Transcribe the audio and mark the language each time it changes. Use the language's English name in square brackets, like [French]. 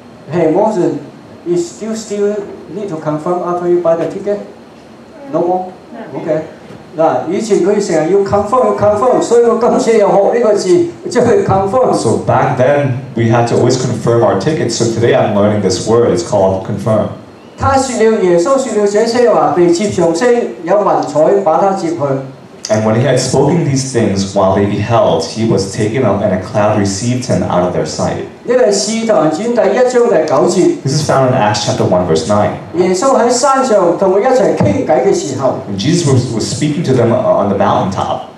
[English] Hey, Morrison, you still need to confirm after you buy the ticket? No more? Okay. [Cantonese] 以前他經常要confirm，所以我今次又學這個字，就是confirm。 [English] So back then, we had to always confirm our tickets, so today I'm learning this word, it's called confirm. [Cantonese] 他說了耶穌說了這些話，被接上升，有雲彩把他接去。 [English] And when he had spoken these things, while they beheld, he was taken up, and a cloud received him out of their sight. [Cantonese] 这是《使徒行传》第一章第九节。 [English] This is found in Acts chapter 1, verse 9. [Cantonese] 耶稣在山上跟他们一起聊天的时候， [English] When Jesus was speaking to them on the mountaintop,